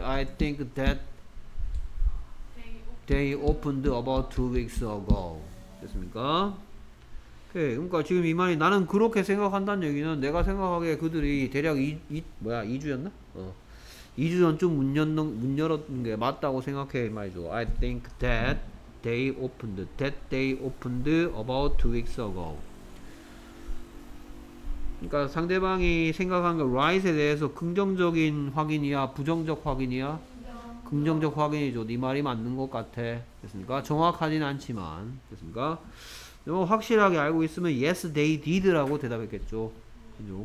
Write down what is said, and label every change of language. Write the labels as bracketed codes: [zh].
[en] I think that they opened about 2 weeks ago. [ko] 됐습니까? 오케이. 그러니까 지금 이 말이 나는 그렇게 생각한다는 얘기는 내가 생각하기에 그들이 대략 2주였나? 2주 전쯤 문 열었는 게 맞다고 생각해 말이죠. [en] I think that they opened about 2 weeks ago. [ko] 그니까 상대방이 생각한 거 right에 대해서 긍정적인 확인이야? 부정적 확인이야? 긍정적 확인이죠. 네 말이 맞는 것 같아. 됐습니까? 정확하진 않지만. 됐습니까? 너무 확실하게 알고 있으면 [en] yes they did [ko] 라고 대답했겠죠. 그죠?